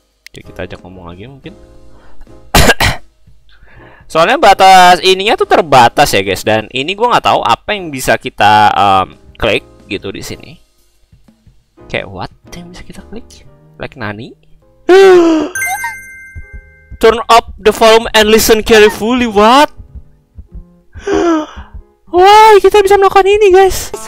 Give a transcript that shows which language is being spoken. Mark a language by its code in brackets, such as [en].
[id] Oke, kita ajak ngomong lagi mungkin. Soalnya batas ininya tuh terbatas ya, guys. Dan ini gue gak tahu apa yang bisa kita klik gitu di sini. Kayak what yang bisa kita klik? [en] Like [ja] nani? [en] Turn up the volume and listen carefully. What? [id] Wah, kita bisa melakukan ini, guys.